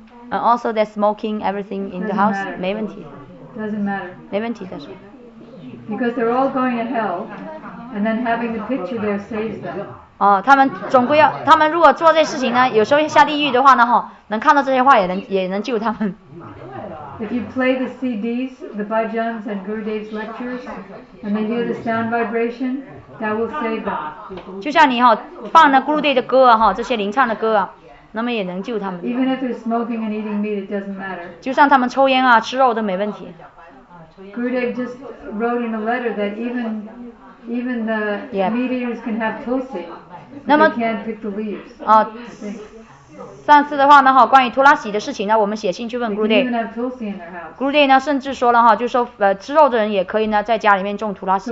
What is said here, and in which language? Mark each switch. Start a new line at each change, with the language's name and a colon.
English: And also, they're smoking everything in the house.
Chinese: 没问题。
English: Doesn't matter.
Chinese: 没问题的是。
English: Because they're all going to hell, and then having the picture there saves them.
Chinese: 哦，他们总归要，他们如果做这事情呢，有时候下地狱的话呢，哈，能看到这些话也能救他们。
English: If you play the CDs, the Bhajans and Gurudev's lectures, and they hear the sound vibration, that will save them.
Chinese: 就像你哈、哦，放了 Gurudev 的歌哈、哦，这些灵唱的歌啊，那么也能救他们。
English: Even if they're smoking and eating meat, it doesn't matter.
Chinese: 就算他们抽烟啊，吃肉都没问题。
English: Gurudev just wrote in a letter that even the、 yeah. meteors can have tulsi. They can't pick the leaves.
Chinese: 哦、上次的话呢，哈，关于托拉西的事情呢，我们写信去问 Gurudev。 Gurudev 呢，甚至说了哈，就说吃肉的人也可以呢，在家里面种托拉西。